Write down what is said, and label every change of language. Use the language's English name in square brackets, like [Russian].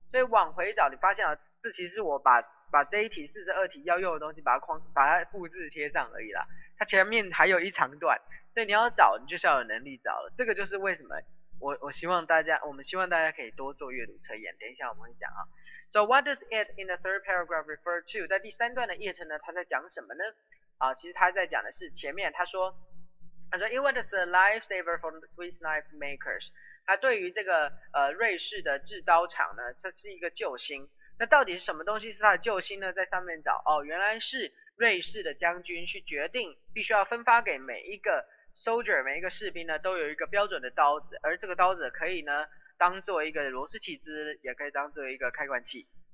[Chinese] 所以往回找，你发现了，这其实我把这一题42题要用的东西，把它复制贴上而已啦。它前面还有一长段，所以你要找，你就是要有能力找了。这个就是为什么我们希望大家可以多做阅读测验。等一下我们会讲啊。 [English] So what does it in the third paragraph refer to？ [Chinese] 在第三段的 it 呢，它在讲什么呢？啊，其实它在讲的是前面他说 ， [English] it was a lifesaver for the Swiss knife makers。 [Chinese] 它对于这个瑞士的制刀厂呢，这是一个救星。那到底是什么东西是它的救星呢？在上面找哦，原来是瑞士的将军去决定，必须要分发给每一个 soldier， 每一个士兵呢，都有一个标准的刀子，而这个刀子可以呢，当做一个螺丝起子，也可以当做一个开关器。